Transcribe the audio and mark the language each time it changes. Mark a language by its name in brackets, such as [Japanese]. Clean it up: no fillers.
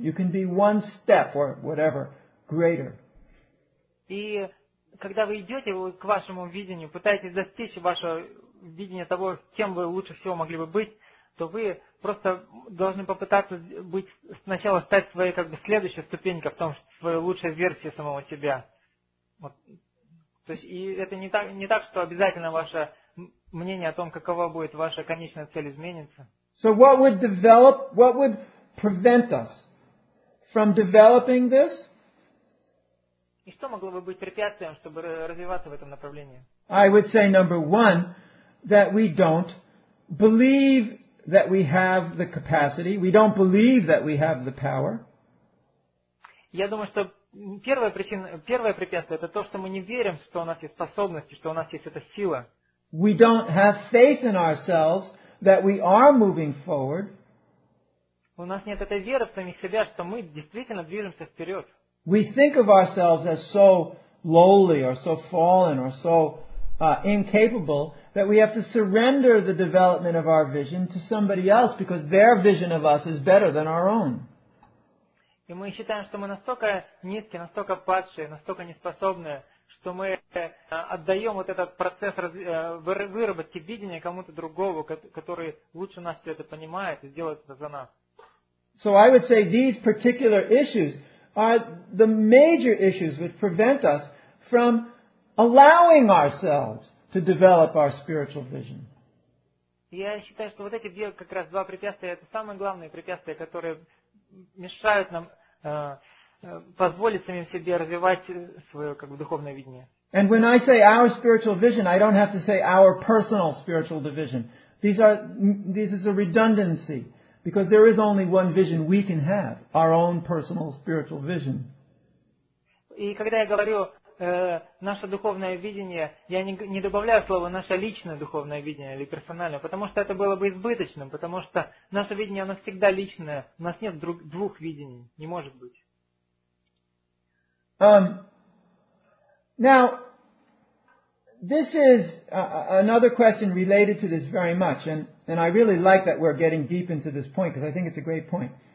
[English] You can be one step, or whatever, greater. [Russian] И когда вы идете к вашему видению, пытаетесь достичь вашего видения того, кем вы лучше всего могли бы быть, то вы просто должны попытаться быть, сначала стать своей как бы следующей ступенькой в том, что своей лучшей версией самого себя. Вот. То есть и это не так, что обязательно ваше мнение о том, какова будет ваша конечная цель, изменится. [English] So what would develop, what would prevent us from developing this? [Russian] И что могло бы быть препятствием, чтобы развиваться в этом направлении? [English] I would say number one, that we don't believe that we have the capacity. We don't believe that we have the power. [Russian] Я думаю, что первое препятствие это то, что мы не верим, что у нас есть способности, что у нас есть эта сила. [English] We don't have faith in ourselves that we are moving forward. [Russian] У нас нет этой веры в самих себя, что мы действительно движемся вперед. [English] We think of ourselves as so lowly or so fallen or so incapable that we have to surrender the development of our vision to somebody else because their vision of us is better than our own. [Russian] И мы считаем, что мы настолько низкие, настолько падшие, настолько неспособные, что мы отдаем вот этот процесс выработки видения кому-то другому, который лучше нас все это понимает и сделает это за нас. [English] So I would say these particular issues are the major issues which prevent us from allowing ourselves to develop our spiritual vision. [Russian] Я считаю, что вот эти две как раз два препятствия это самые главные препятствия, которые мешают нам позволить самим себе развивать свое как бы духовное видение. [English] And when I say our spiritual vision, I don't have to say our personal spiritual division. This is a redundancy because there is only one vision we can have, our own personal spiritual vision. [Russian] И когда я говорю наше духовное видение, я не добавляю слово наше личное духовное видение или персональное, потому что это было бы избыточным, потому что наше видение, оно всегда личное, у нас нет двух видений, не может быть. [English] Now, this is another question related to this very much, and I really like that we're getting deep into this point, because I think it's a great point.